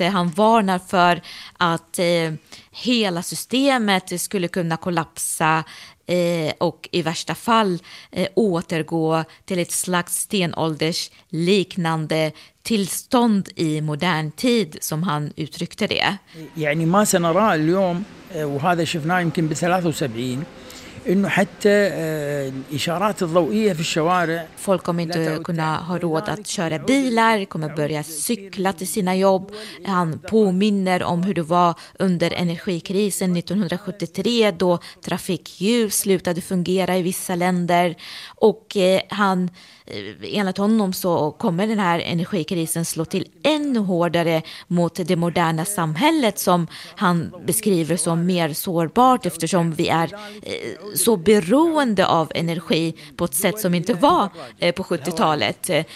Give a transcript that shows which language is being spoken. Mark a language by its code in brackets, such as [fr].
[sv] Han varnar för att hela systemet skulle kunna kollapsa och i värsta fall återgå till ett slags stenålders liknande tillstånd i modern tid, som han uttryckte det. [ar] يعني ما سنرى اليوم وهذا شفناه يمكن ب 73 انه حتى الاشارات الضوئيه في الشوارع. [sv] Folk kommer inte kunna ha råd att köra bilar, kommer börja cykla till sina jobb. Han påminner om hur det var under energikrisen 1973 då trafikljus slutade fungera i vissa länder, och han, enligt honom, så kommer den här energikrisen slå till ännu hårdare mot det moderna samhället, som han beskriver som mer sårbart eftersom vi är så beroende av energi på ett sätt som inte var på 70-talet.